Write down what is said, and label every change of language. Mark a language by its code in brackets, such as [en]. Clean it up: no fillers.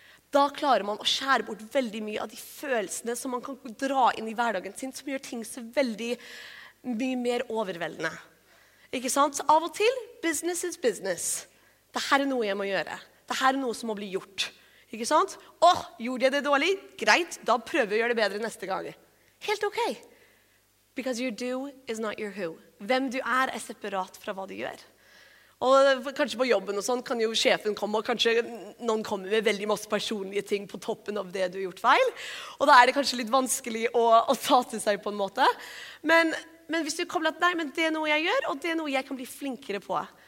[sv] Då klarar man att skära bort väldigt mycket av de känslorna som man kan dra in I vardagen sin som gör ting så väldigt mycket mer överväldigande. Ikke sant? Så av och till [en] business is business. [sv] Det här är något jag måste göra. Det här är något som måste bli gjort. Ikke sant? Och gjorde jag det dåligt? Grejt, då prövar jag göra det bättre nästa gång. Helt okej. Okay. [en] Because your do is not your who. [sv] Vem du är separat från vad du gör. Och kanske på jobben och sånt kan ju chefen komma och kanske någon kommer med väldigt massa personliga ting på toppen av det du gjort fel. Och då är det kanske lite vanskligt att ta till sig på en måte. Men hvis du kommer att nej men det är något jag gör och det är något jag kan bli flinkare på.